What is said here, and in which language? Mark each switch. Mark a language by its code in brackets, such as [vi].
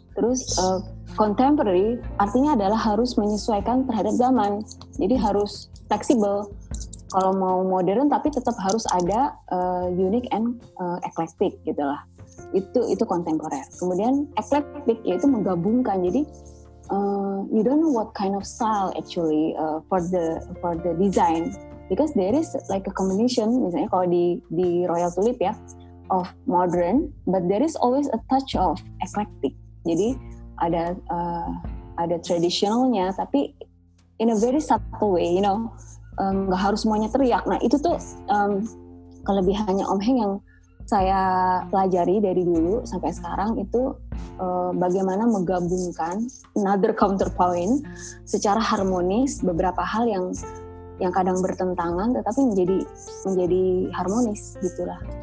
[id] Terus contemporary artinya adalah harus menyesuaikan terhadap zaman, jadi harus fleksibel. Kalau mau modern tapi tetap harus ada [en] unique and eclectic [id] gitulah. Itu kontemporer. Kemudian eclectic yaitu menggabungkan. Jadi [en] you don't know what kind of style actually for the design, because there is like a combination, [id] misalnya kalau di Royal Tulip ya, [en] of modern, but there is always a touch of eclectic. [id] Jadi ada traditionalnya tapi [en] in a very subtle way, you know. [id] Nggak harus semuanya teriak. Nah itu tuh kelebihannya Om Heng yang saya pelajari dari dulu sampai sekarang, itu bagaimana menggabungkan [en] another counterpoint [id] secara harmonis beberapa hal yang kadang bertentangan tetapi menjadi harmonis gitulah.